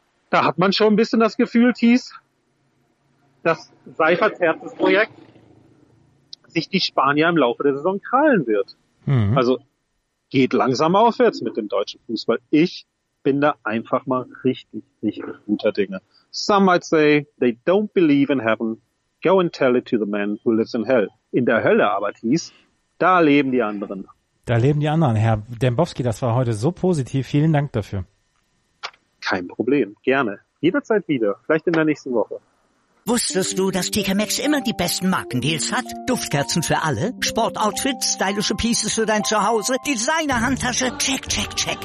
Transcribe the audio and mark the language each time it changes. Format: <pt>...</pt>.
<de>Da hat man schon ein bisschen das Gefühl, Thies, dass Seiferts Herzensprojekt sich die Spanier im Laufe der Saison krallen wird. Mhm. Also geht langsam aufwärts mit dem deutschen Fußball. Ich bin da einfach mal richtig, richtig guter Dinge.</de> <en>Some might say they don't believe in heaven. Go and tell it to the man who lives in hell.</en> <de>In der Hölle aber, Thies, da leben die anderen. Da leben die anderen. Herr Dembowski, das war heute so positiv. Vielen Dank dafür. Kein Problem. Gerne. Jederzeit wieder. Vielleicht in der nächsten Woche. Wusstest du, dass TK Maxx immer die besten Markendeals hat? Duftkerzen für alle, Sportoutfits, stylische Pieces für dein Zuhause, Designer-Handtasche, check, check, check.</de>